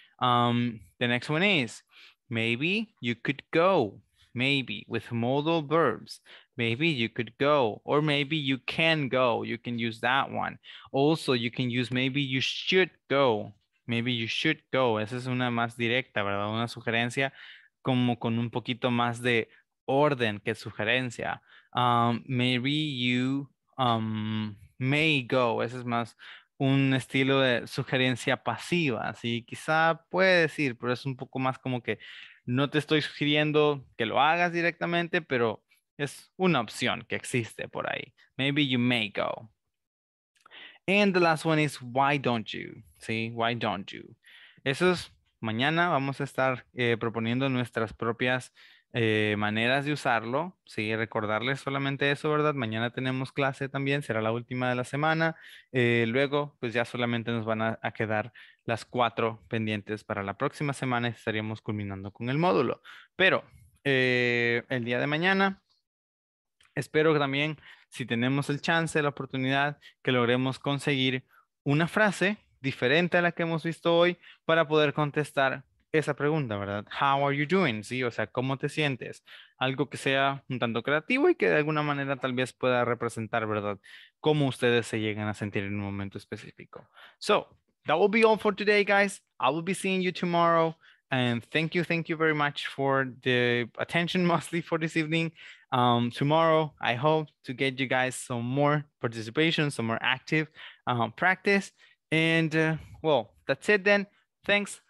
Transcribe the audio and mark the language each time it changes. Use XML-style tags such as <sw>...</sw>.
<en>The next one is, maybe you could go, maybe with modal verbs, maybe you could go, or maybe you can go, you can use that one. Also, you can use maybe you should go, maybe you should go.</en> <es>Esa es una más directa, ¿verdad? Una sugerencia como con un poquito más de orden que sugerencia.</es> <en>Maybe you may go.</en> <es>Ese es más un estilo de sugerencia pasiva. Sí, quizá puedes ir, pero es un poco más como que no te estoy sugiriendo que lo hagas directamente, pero es una opción que existe por ahí.</es> <en>Maybe you may go. And the last one is, why don't you? ¿Sí? Why don't you?</en> <es>Eso es, mañana vamos a estar proponiendo nuestras propias maneras de usarlo. Sí, recordarles solamente eso, ¿verdad? Mañana tenemos clase también, será la última de la semana. Luego, pues ya solamente nos van a quedar las cuatro pendientes para la próxima semana y estaríamos culminando con el módulo. Pero el día de mañana, espero también, si tenemos el chance, la oportunidad, que logremos conseguir una frase diferente a la que hemos visto hoy para poder contestar esa pregunta, ¿verdad?</es> <en>How are you doing?</en> <es>Sí, o sea, ¿cómo te sientes? Algo que sea un tanto creativo y que de alguna manera tal vez pueda representar, ¿verdad? Cómo ustedes se llegan a sentir en un momento específico.</es> <en>So, that will be all for today, guys. I will be seeing you tomorrow. And thank you very much for the attention, mostly for this evening. Tomorrow, I hope to get you guys some more participation, some more active practice. And well, that's it then. Thanks.</en>